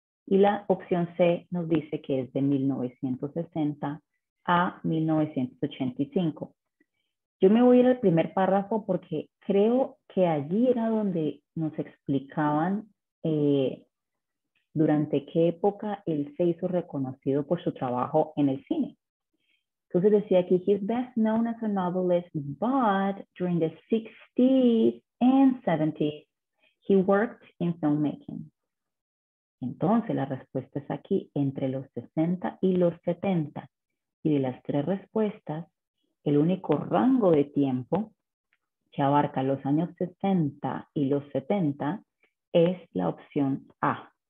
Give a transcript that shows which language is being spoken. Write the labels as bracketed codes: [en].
[es] Y la opción C nos dice que es de 1960 a 1985. Yo me voy a ir al primer párrafo porque creo que allí era donde nos explicaban durante qué época él se hizo reconocido por su trabajo en el cine. Entonces decía aquí, [en] he's best known as a novelist, but during the 60s and 70s, he worked in filmmaking. [es] Entonces la respuesta es aquí, entre los 60 y los 70. Y de las tres respuestas, el único rango de tiempo que abarca los años 60 y los 70 es la opción A.